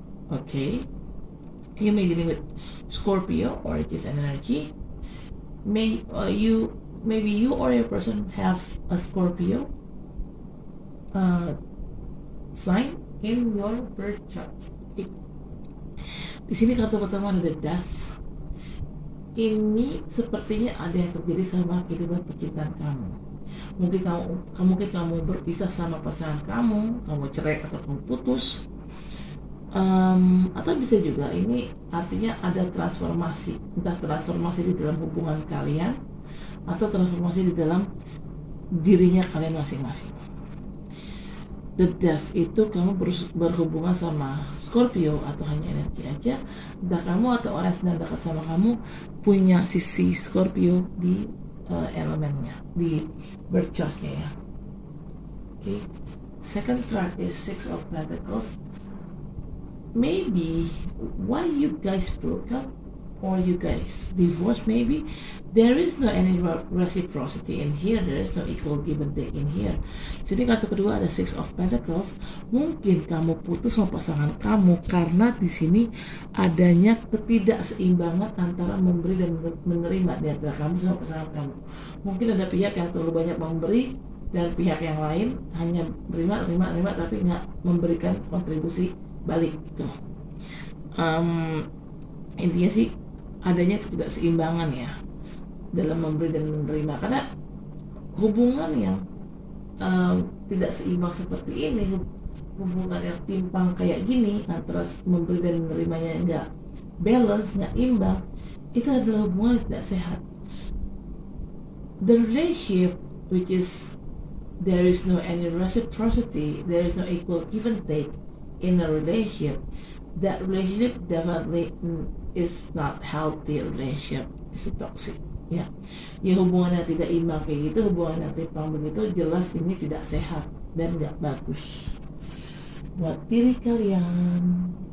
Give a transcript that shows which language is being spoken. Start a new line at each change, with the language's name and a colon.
English: Okay, you may be dealing with Scorpio, or it is an energy. Maybe you or your person have a Scorpio sign in your birth chart.
Indonesian: Di sini kartu pertama ada Death. Ini sepertinya ada yang terjadi sama kehidupan percintaan kamu. Mungkin kamu berpisah sama pasangan kamu, kamu cerai atau kamu putus. Atau bisa juga ini artinya ada transformasi, entah transformasi di dalam hubungan kalian atau transformasi di dalam dirinya kalian masing-masing. The Death itu kamu berhubungan sama Scorpio atau hanya energi aja, dan kamu atau orang yang dekat sama kamu punya sisi Scorpio di elemennya, di birth chart-nya ya.
English: Okay. Second card is Six of Pentacles. Maybe why you guys broke up or you guys divorced, maybe there is no any reciprocity in here, there is no equal given day in here.
Indonesian: Jadi kartu kedua ada Six of Pentacles. Mungkin kamu putus sama pasangan kamu karena di sini adanya ketidakseimbangan antara memberi dan menerima di antara kamu sama pasangan kamu. Mungkin ada pihak yang terlalu banyak memberi dan pihak yang lain hanya menerima tapi enggak memberikan kontribusi balik gitu. Intinya sih adanya ketidakseimbangan ya dalam memberi dan menerima, karena hubungan yang tidak seimbang seperti ini, hubungan yang timpang kayak gini antara memberi dan menerimanya enggak balance, enggak imbang, itu adalah hubungan yang tidak sehat.
English: The relationship which is there is no any reciprocity, there is no equal give and take in a relationship, that relationship definitely is not healthy relationship, it's a toxic.
Indonesian: Ya, ya hubungan yang tidak imbang kayak gitu, hubungan yang timpang begitu, jelas ini tidak sehat dan tidak bagus buat diri kalian.